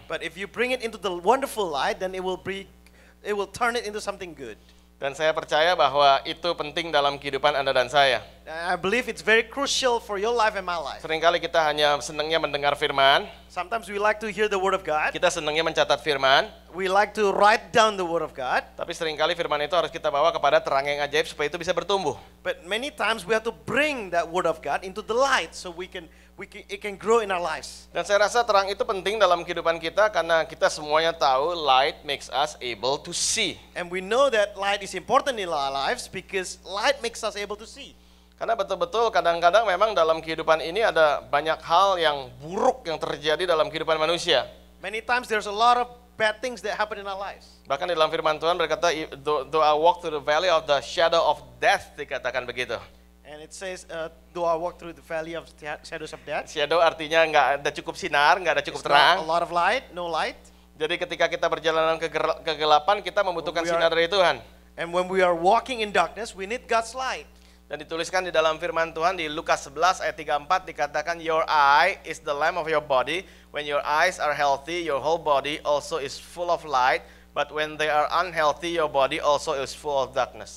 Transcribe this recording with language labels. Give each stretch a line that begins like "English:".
English: But if you bring it into the wonderful light, then it will turn it into something good.
Indonesian: Dan saya percaya bahwa itu penting dalam kehidupan Anda dan saya.
English: I believe it's very crucial for your life and my life.
Indonesian: Seringkali kita hanya senangnya mendengar firman.
English: Sometimes we like to hear the word of God.
Indonesian: Kita senangnya mencatat firman.
English: We like to write down the word of God.
Indonesian: Tapi seringkali firman itu harus kita bawa kepada terang yang ajaib supaya itu bisa bertumbuh.
English: But many times we have to bring that word of God into the light so it can grow in our lives.
Indonesian: Dan saya rasa terang itu penting dalam kehidupan kita karena kita semuanya tahu
English: light makes us able to see. And we know that light is important in our lives because light makes us able to see.
Indonesian: Karena betul-betul kadang-kadang memang dalam kehidupan ini ada banyak hal yang buruk yang terjadi dalam kehidupan manusia.
English: Many times there's a lot of bad things that happen in our lives.
Indonesian: Bahkan dalam firman Tuhan berkata,
English: Though I walk through the valley of the shadow of death,
Indonesian: dikatakan begitu.
English: And it says, Though I walk through the valley of shadows of death.
Indonesian: Shadow artinya enggak ada cukup sinar, enggak ada cukup terang.
English: A lot of light, no light.
Indonesian: Jadi ketika kita berjalan dalam kegelapan, kita membutuhkan sinar dari Tuhan.
English: And when we are walking in darkness, we need God's light.
Indonesian: Dan dituliskan di dalam firman Tuhan di Lukas 11 ayat 34 dikatakan
English: your eye is the lamp of your body. When your eyes are healthy, your whole body also is full of light. But when they are unhealthy, your body also is full of darkness.